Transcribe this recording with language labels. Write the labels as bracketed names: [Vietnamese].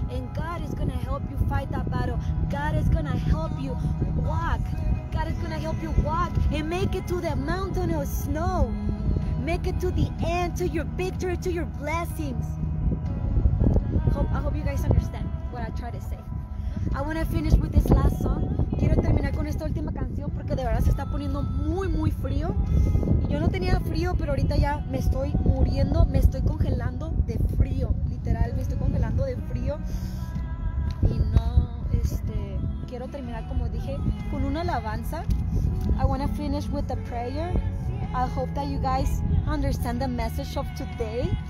[English] And God is going to help you fight that battle. God is going to help you walk. God is going to help you walk. And make it to the mountain of snow. Make it to the end, to your victory, to your blessings. I hope you guys understand what I try to say. I want to finish with this last song. [Spanish] Quiero terminar con esta última canción porque de verdad se está poniendo muy, muy frío. Y yo no tenía frío, pero ahorita ya me estoy muriendo, me estoy congelando de frío. Literal, me estoy congelando de frío. Y no, quiero terminar, como dije, con una alabanza. [English] I want to finish with a prayer. I hope that you guys understand the message of today.